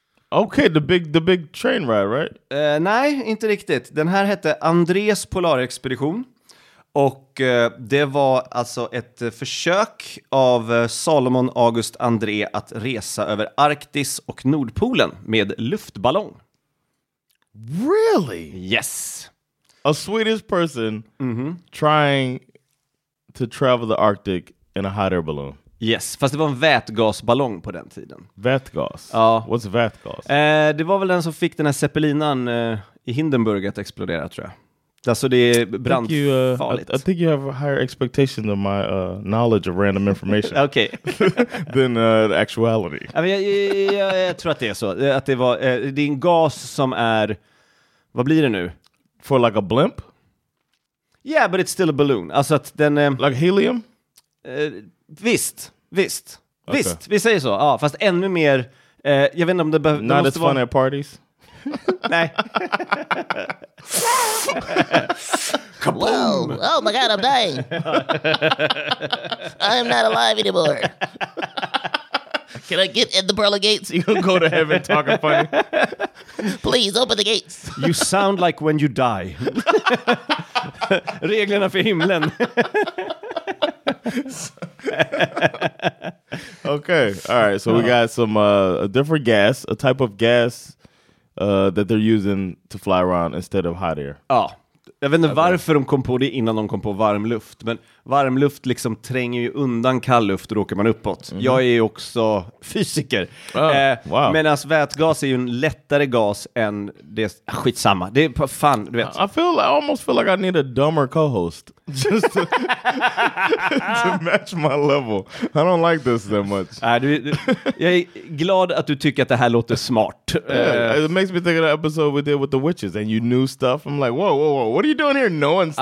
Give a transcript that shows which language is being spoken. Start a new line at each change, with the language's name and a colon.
English: Okay, the big train ride, right?
Swedish: Nej, inte riktigt. Den här hette Andrées polarexpedition. Och det var alltså ett försök av Salomon August André att resa över Arktis och Nordpolen med luftballong.
English: Really? Yes. A Swedish person trying to travel the Arctic in a hot air balloon.
Swedish: Yes, fast det var en vätgasballong på den tiden. Vätgas? Ja.
English: What's vätgas?
Swedish: Det var väl den som fick den här zeppelinan i Hindenburg att explodera, tror jag. Alltså det är brandfarligt.
English: I think you have a higher expectation than my knowledge of random information. Okay. Than the actuality.
Swedish: Jag tror att det är så. Att det var det är en gas som är... Vad blir det nu?
English: For like a blimp? Yeah, but it's still a balloon.
Swedish: Alltså att den...
English: Like helium?
Swedish: Visst. Okay. Visst, vi säger så. Ja, fast ännu mer... jag vet inte om det behöver...
English: Not as fun at parties?
Swedish: Nej.
English: Kaboom! Whoa. Oh my god, I'm dying! I am not alive anymore. Can I get in the pearly gates? You go to heaven talking funny. Please, open the gates. You sound like when you die.
Swedish: Reglerna för himlen.
English: Okay, all right. So we got some a different gas, a type of gas that they're using to fly around instead of hot air.
Swedish: Ja, jag vet inte varför de kom på det innan de kom på varm luft. Men varm luft liksom tränger ju undan kall luft och då åker man uppåt. Mm-hmm. Jag är ju också fysiker.
English: Oh, wow.
Swedish: Medan vätgas är ju en lättare gas än det skitsamma. Det är fan, du vet.
English: I almost feel like I need a dumber co-host. Just to match my level. I don't like this that much.
Swedish: Jag är glad att du tycker att det här låter smart.
English: Yeah, it makes me think of the episode we did with the witches and you knew stuff. I'm like, whoa, what are you doing here knowing stuff?